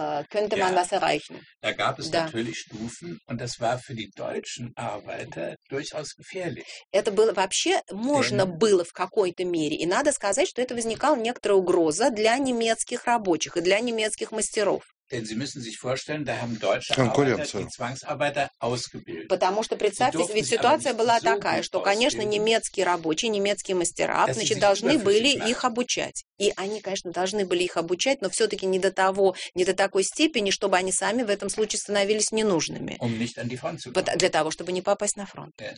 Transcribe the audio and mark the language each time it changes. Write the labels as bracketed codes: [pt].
[de] Könnte man das erreichen? Da gab es natürlich Stufen, und das war für die deutschen Arbeiter durchaus gefährlich. [ru] Это было вообще можно было в какой-то мере, и надо сказать, что это возникала некоторая угроза для немецких рабочих и для немецких мастеров. [de] Denn Sie müssen sich vorstellen, da haben deutsche Arbeiter die Zwangsarbeiter ausgebildet. [ru] Потому что представьте, ведь ситуация была такая, что, конечно, немецкие рабочие, немецкие мастера, значит, должны были их обучать. И они, конечно, должны были их обучать, но все-таки не до того, не до такой степени, чтобы они сами в этом случае становились ненужными. Для того, чтобы не попасть на фронт.